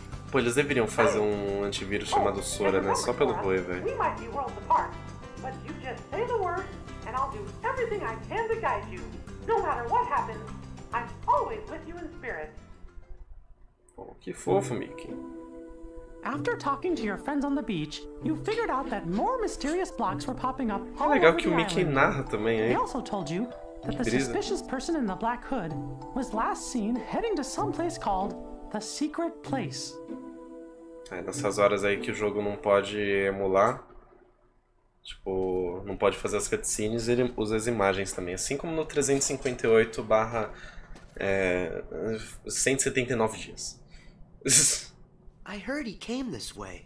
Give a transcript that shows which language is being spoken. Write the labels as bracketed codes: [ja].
[pt] Pô, eles deveriam fazer um antivírus chamado Sora, né? Só pelo boi, velho. [en] We might be worlds apart, but you just say the word, and I'll do everything I can to guide you. No matter what happens, I'm always with you in spirit. [pt] Pô, que fofo, Mickey. [en] After talking to your friends on the beach, you figured out that more mysterious blocks were popping up all over the [pt] island. Que o Mickey narra também, hein? [en] They also told you that the suspicious person in the black hood was last seen heading to some place called the Secret Place. [pt] É, nessas horas aí que o jogo não pode emular, tipo, não pode fazer as cutscenes, ele usa as imagens também. Assim como no 358 / 179 dias. [en] I heard he came this way.